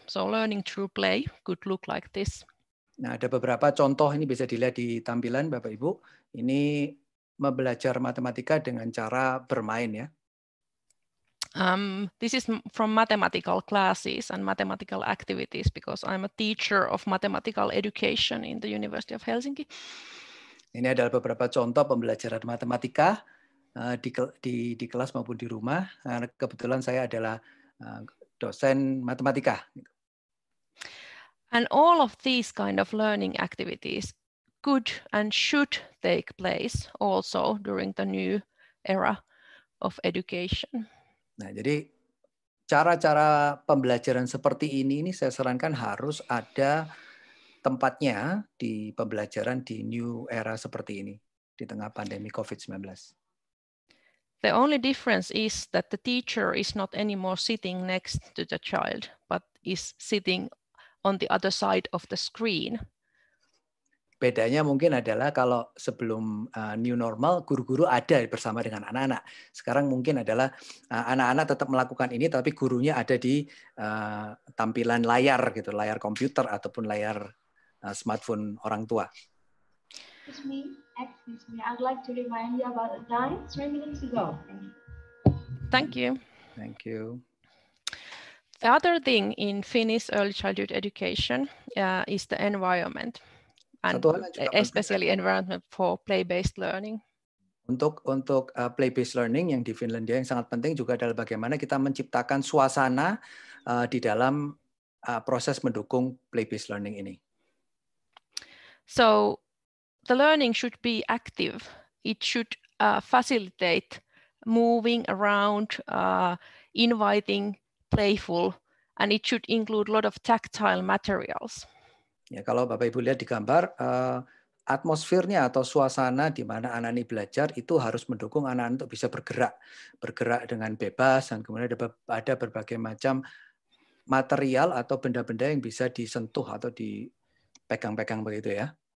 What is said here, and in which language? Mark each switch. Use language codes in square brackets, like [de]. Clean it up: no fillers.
[en] So learning through play could look like this. [id] Nah, ada beberapa contoh ini bisa dilihat di tampilan, Bapak Ibu. Ini belajar matematika dengan cara bermain, ya. [en] This is from mathematical classes and mathematical activities because I'm a teacher of mathematical education in the University of Helsinki. [id] Ini adalah beberapa contoh pembelajaran matematika di kelas maupun di rumah. Kebetulan saya adalah dosen matematika. [en] And all of these kind of learning activities could and should take place also during the new era of education. [id] Nah, jadi cara-cara pembelajaran seperti ini saya sarankan harus ada tempatnya di pembelajaran di new era seperti ini, di tengah pandemi COVID-19. [en] The only difference is that the teacher is not anymore sitting next to the child, but is sitting on the other side of the screen. [id] Bedanya mungkin adalah kalau sebelum new normal, guru-guru ada bersama dengan anak-anak. Sekarang mungkin adalah anak-anak tetap melakukan ini, tapi gurunya ada di tampilan layar, gitu, layar komputer ataupun layar smartphone orang tua. [en] Excuse me. I'd like to remind you about a time, 3 minutes ago. Thank you. The other thing in Finnish early childhood education is the environment. And especially environment for play-based learning. [id] Untuk play-based learning yang di Finlandia yang sangat penting juga adalah bagaimana kita menciptakan suasana di dalam proses mendukung play-based learning ini. [en] So the learning should be active. It should facilitate moving around, inviting, playful, and it should include a lot of tactile materials. [id] Ya, kalau Bapak Ibu lihat di gambar, atmosfernya atau suasana di mana anak ini belajar itu harus mendukung anak untuk bisa bergerak dengan bebas, dan kemudian ada berbagai macam material atau benda-benda yang bisa disentuh atau dipegang-pegang begitu, ya.